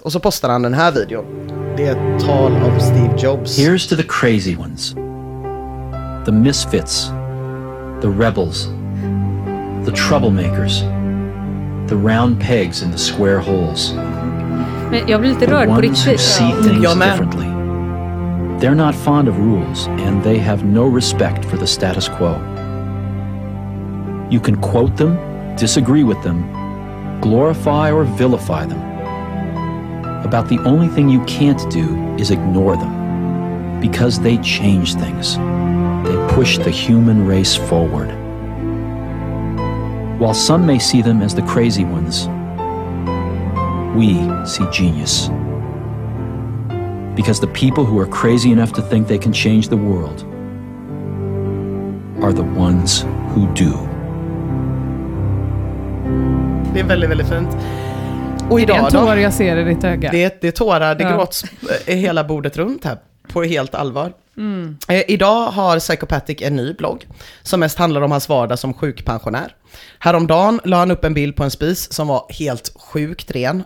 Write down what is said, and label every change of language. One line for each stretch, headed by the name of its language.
Swedish: Och så postar han den här videon. Det är ett tal av Steve Jobs.
English: Here's to the crazy ones. The misfits. The rebels. The troublemakers. The round pegs in the square holes.
Swedish: Men jag blir lite rörd på riktigt. Jag med.
English: They're not fond of rules and they have no respect for the status quo. You can quote them, disagree with them, glorify or vilify them. About the only thing you can't do is ignore them. Because they change things. They push the human race forward. While some may see them as the crazy ones, we see genius. Because the people who are crazy enough to think they can change the world are the ones who do.
Swedish: Det är väldigt, väldigt fint. Och idag, är det en tår då? Jag ser i ditt öga? Det är tårar, det gråts hela bordet runt här. på helt allvar. Mm. Idag har Psychopathic en ny blogg som mest handlar om hans vardag som sjukpensionär. Häromdagen la han upp en bild på en spis som var helt sjukt ren.